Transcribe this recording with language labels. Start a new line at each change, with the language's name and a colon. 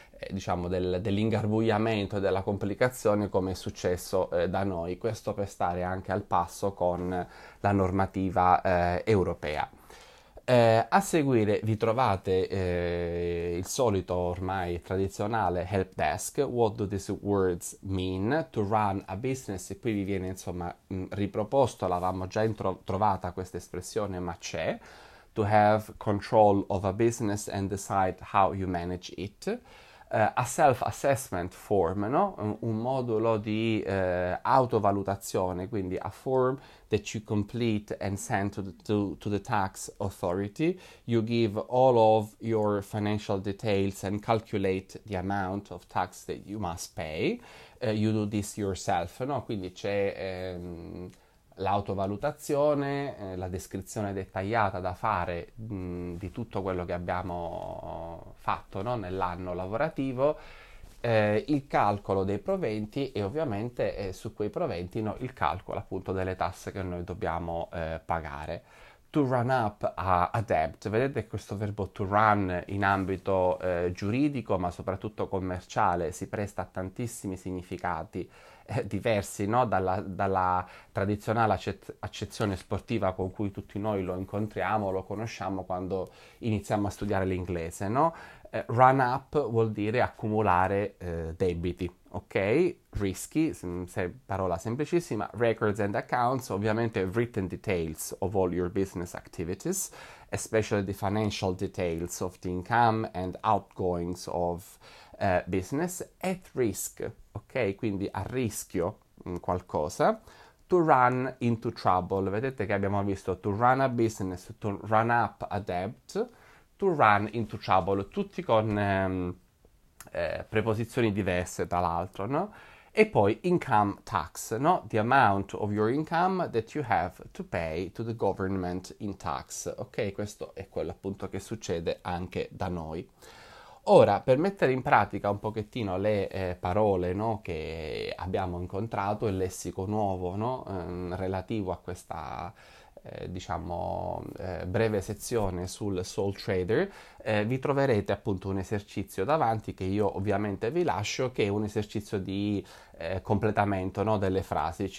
Italian: diciamo dell'ingarbugliamento e della complicazione come è successo da noi, questo per stare anche al passo con la normativa europea. A seguire vi trovate il solito ormai tradizionale help desk.
English: What do these words mean? To run a business.
Italian: E qui vi viene insomma riproposto, l'avevamo già trovata questa espressione, ma c'è.
English: To have control of a business and decide how you manage it. A self-assessment form, no?
Italian: Un modulo di autovalutazione, quindi
English: a form that you complete and send to the tax authority. You give all of your financial details and calculate the amount of tax that you must pay. You do this yourself, no?
Italian: Quindi c'è l'autovalutazione, la descrizione dettagliata da fare di tutto quello che abbiamo fatto, no? Nell'anno lavorativo, il calcolo dei proventi e ovviamente su quei proventi, no? Il calcolo appunto delle tasse che noi dobbiamo pagare.
English: To run up a debt,
Italian: vedete questo verbo to run in ambito giuridico ma soprattutto commerciale si presta a tantissimi significati. Diversi, no? Dalla tradizionale accezione sportiva con cui tutti noi lo incontriamo, lo conosciamo quando iniziamo a studiare l'inglese, no? Run up vuol dire accumulare debiti, ok? Rischi, se, parola semplicissima,
English: records and accounts, ovviamente written details of all your business activities, especially the financial details of the income and outgoings of business, at risk.
Italian: Ok, quindi a rischio qualcosa,
English: to run into trouble,
Italian: vedete che abbiamo visto
English: to run a business, to run up a debt, to run into trouble,
Italian: tutti con preposizioni diverse dall'altro, no? E poi income tax, no?
English: The amount of your income that you have to pay to the government in tax.
Italian: Ok, questo è quello appunto che succede anche da noi. Ora, per mettere in pratica un pochettino le parole, no, che abbiamo incontrato, il lessico nuovo, no, relativo a questa, diciamo, breve sezione sul sole trader, vi troverete appunto un esercizio davanti che io ovviamente vi lascio, che è un esercizio di completamento, no, delle frasi.